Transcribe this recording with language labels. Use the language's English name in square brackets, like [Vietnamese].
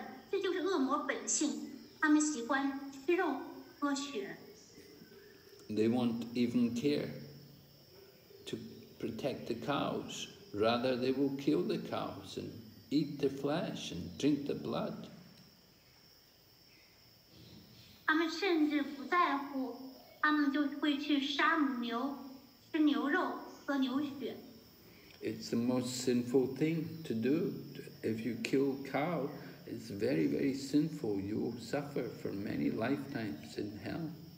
[Chinese] 这就是恶魔本性，他们喜欢吃肉喝血。 [English] They won't even care to protect the cows. Rather, they will kill the cows and eat the flesh and drink the blood. [Chinese] 他们甚至不在乎，他们就会去杀母牛，吃牛肉，喝牛血。 [English] It's the most sinful thing to do. If you kill cow, it's very, very sinful. You will suffer for many lifetimes in hell.